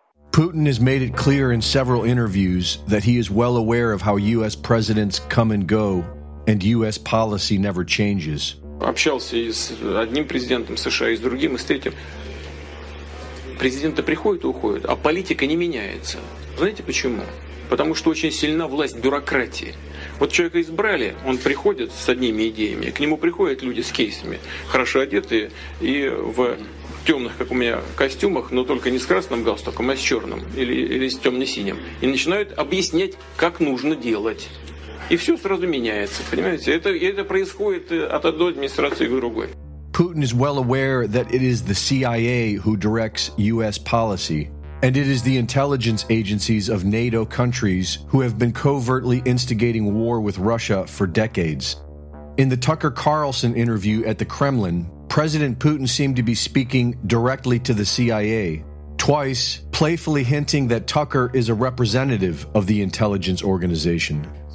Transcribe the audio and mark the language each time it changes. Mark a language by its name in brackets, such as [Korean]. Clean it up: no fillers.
[English] Putin has made it clear in several interviews that he is well aware of how U.S. presidents come and go, and U.S. policy never changes. [Russian] Общался и с одним президентом США, и с другим, и с третьим. Президенты приходят и уходят, а политика не меняется. Знаете почему? Потому что очень сильна власть бюрократии. Вот человека избрали, он приходит с одними идеями, к нему приходят люди с кейсами, хорошо одетые и в темных, как у меня, костюмах, но только не с красным галстуком, а с черным или с темно-синим. И начинают объяснять, как нужно делать. И все сразу меняется, понимаете? Это происходит от одной администрации к другой. [English] Putin is well aware that it is the CIA who directs U.S. policy. And it is the intelligence agencies of NATO countries who have been covertly instigating war with Russia for decades. In the Tucker Carlson interview at the Kremlin, President Putin seemed to be speaking directly to the CIA, twice playfully hinting that Tucker is a representative of the intelligence organization.